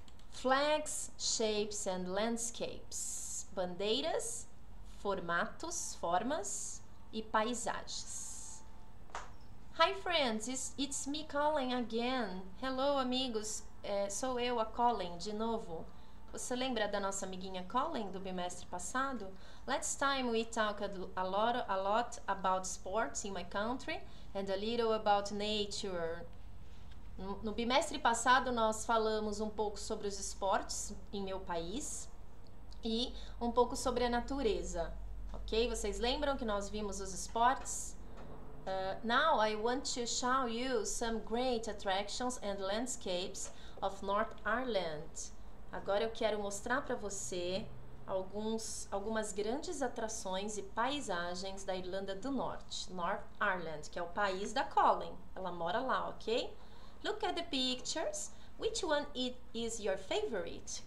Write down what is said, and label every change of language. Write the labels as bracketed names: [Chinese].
[English] Flags, shapes and landscapes. [Portuguese] Bandeiras, formatos, formas e paisagens. [English] Hi friends, it's me calling again. [Portuguese] Hello amigos, sou eu, a Colleen, de novo. Você lembra da nossa amiguinha Colleen do bimestre passado? [English] Last time we talked a lot about sports in my country and a little about nature. [Portuguese] No bimestre passado, nós falamos um pouco sobre os esportes em meu país e um pouco sobre a natureza, ok? Vocês lembram que nós vimos os esportes? [English] Now I want to show you some great attractions and landscapes of North Ireland. [Portuguese] Agora eu quero mostrar para você algumas grandes atrações e paisagens da Irlanda do Norte, North Ireland, que é o país da Colleen. Ela mora lá, ok? [English] Look at the pictures. Which one is your favorite?